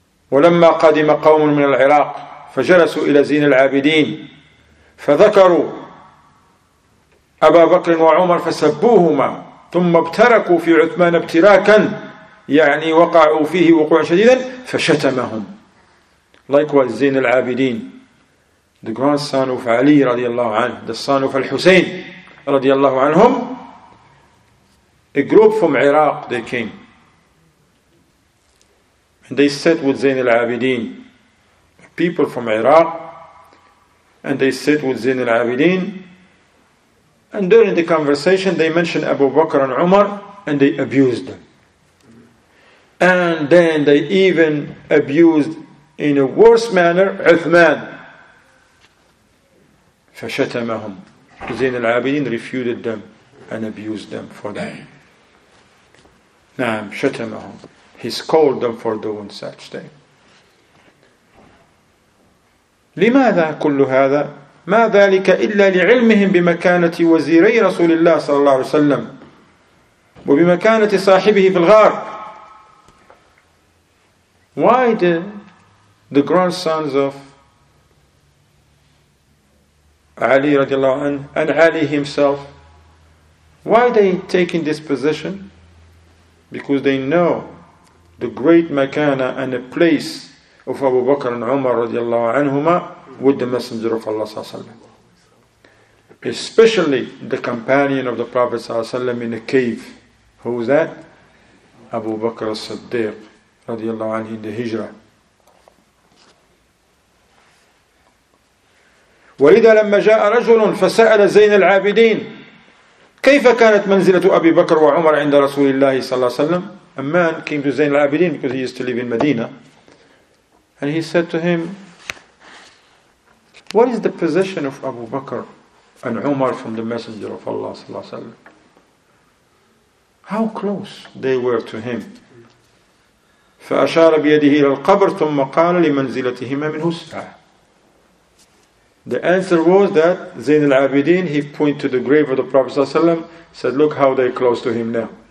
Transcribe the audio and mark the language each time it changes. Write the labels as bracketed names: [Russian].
[Arabic] ولما قدم قوم من العراق فجلسوا إلى زين العابدين فذكروا أبا بكر وعمر فسبوهما ثم ابتركوا في عثمان ابتراكا يعني وقعوا فيه وقوعا شديدا فشتمهم [English] Likewise زين العابدين The grandson of Ali رضي الله عنه The son of الحسين رضي الله عنهم A group from Iraq they came And they sat with Zain al-Abidin, people from Iraq, and they sat with Zain al-Abidin. And during the conversation, they mentioned Abu Bakr and Umar, and they abused them. And then they even abused, in a worse manner, Uthman. [Arabic] فَشَتَمَهُمْ [English] Zain al-Abidin refuted them and abused them for that. [Arabic] نعم, شَتَمَهُمْ [English] He scolded them for doing such thing. [Arabic] لماذا كل هذا؟ ما ذلك إلا لعلمهم بمكانة وزيري رسول الله صلى الله عليه وسلم وبمكانة صاحبه في الغار. [English] Why did the grandsons of Ali رضي الله عنه and Ali himself, why they taking this position? Because they know the great makana and a place of Abu Bakr and Umar radiallahu anhuma with the Messenger of Allah sallallahu alayhi wa sallam. Especially the companion of the Prophet sallallahu alayhi wa sallam in a cave. Who is that? Abu Bakr al-Siddiq radiallahu anhu in the Hijrah. [Arabic] وَلِذَا لَمَّ جَاءَ رَجُلٌ فَسَأَلَ زَيْنَ الْعَابِدِينَ كَيْفَ كَانَتْ مَنْزِلَةُ أَبِي بَكْر وَعُمَرَ عِنْدَ رَسُولِ اللَّهِ صَلَّى اللَّهِ وَسَلَّمَ [English] A man came to Zain al-Abidin because he used to live in Medina. And he said to him, what is the position of Abu Bakr and Umar from the Messenger of Allah sallallahu alayhi wa sallam? How close they were to him. [Arabic] فَأَشَارَ بِيَدِهِ إِلَى الْقَبْرِ ثُمَّ قَالَ لِمَنْزِلَتِهِمَ مِنْهُ السَّعَةِ [English] The answer was that Zain al-Abidin, he pointed to the grave of the Prophet sallallahu alayhi wa sallam, said, look how they're close to him now.